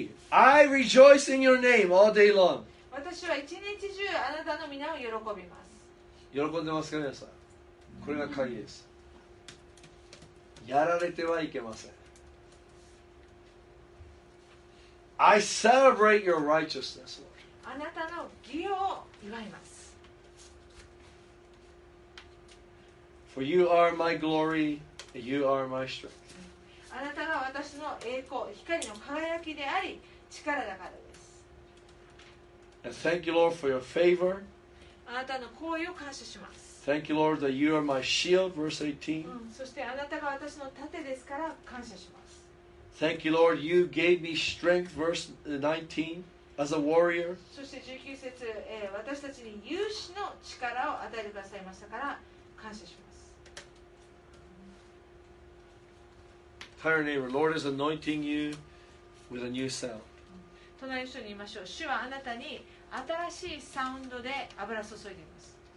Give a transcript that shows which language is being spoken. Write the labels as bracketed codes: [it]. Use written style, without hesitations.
[en] I rejoice in your name all day long. [ja] 私は一日中あなたの皆を喜びます。喜んでますか皆さん。これが鍵です。やられてはいけません。 [en] I celebrate your righteousness, Lord. [ja] あなたの義を祝います。 [en] For you are my glory, and you are my strength. [ja] あなたが私の栄光、光の輝きであり、力だからです。 [en] And thank you, Lord, for your favor. [ja] あなたの好意を感謝します。 [en] Thank you, Lord, that you are my shield, verse 18. [ja] そしてあなたが私の盾ですから感謝します。 [en] Thank you, Lord, you gave me strength, verse 19, as a warrior. [ja] そして19節、私たちに勇士の力を与えてくださいましたから感謝します。 [en] Tell your neighbor, Lord is anointing you with a new sound. [ja] 隣の人に言いましょう。主はあなたに新しいサウンドで油注いでいます。